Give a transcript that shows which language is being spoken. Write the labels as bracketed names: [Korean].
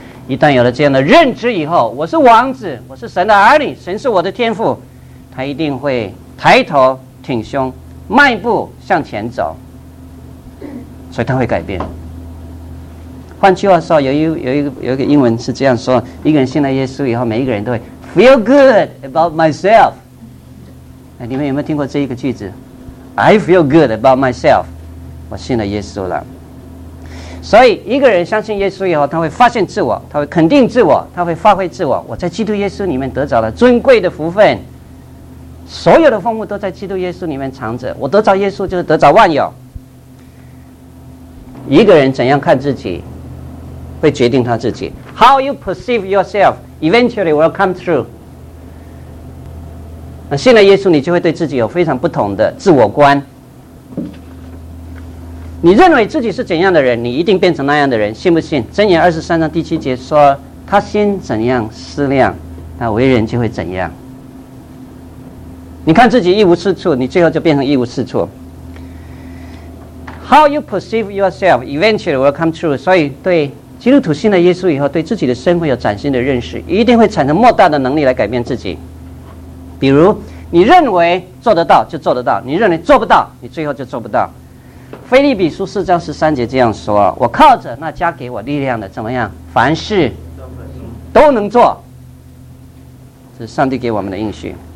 [Chinese] 一旦有了这样的认知以后，我是王子，我是神的儿女，神是我的天父，他一定会抬头挺胸迈步向前走，所以他会改变。换句话说，有一个英文是这样说，一个人信了耶稣以后，每一个人都会 [English] feel good about myself。 [Chinese] 你们有没有听过这一个句子？ [English] I feel good about myself， [Chinese] 我信了耶稣了。所以一个人相信耶稣以后，他会发现自我，他会肯定自我，他会发挥自我，我在基督耶稣里面得着了尊贵的福分，所有的丰富都在基督耶稣里面藏着，我得着耶稣就是得着万有。一个人怎样看自己会决定他自己， [English] How you perceive yourself eventually will come true。 [Chinese] 那信了耶稣，你就会对自己有非常不同的自我观，你认为自己是怎样的人，你一定变成那样的人，信不信？箴言23:7说，他心怎样思量，那为人就会怎样。你看自己一无是处，你最后就变成一无是处。 [English] How you perceive yourself eventually will come true。 [Chinese] 所以对基督徒信了耶稣以后，对自己的身份有崭新的认识，一定会产生莫大的能力来改变自己。比如你认为做得到就做得到，你认为做不到你最后就做不到。腓立比书4:13这样说，我靠着那加给我力量的怎么样，凡事都能做，这是上帝给我们的应许。